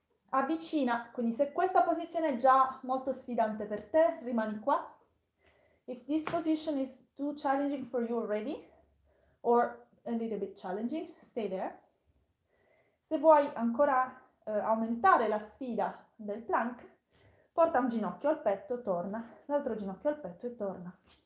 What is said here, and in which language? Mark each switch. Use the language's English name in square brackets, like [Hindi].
[Italian] Avvicina, quindi se questa posizione è già molto sfidante per te, rimani qua. [English] If this position is too challenging for you already, or a little bit challenging, stay there. [Italian] Se vuoi ancora aumentare la sfida del plank, porta un ginocchio al petto, torna, l'altro ginocchio al petto e torna.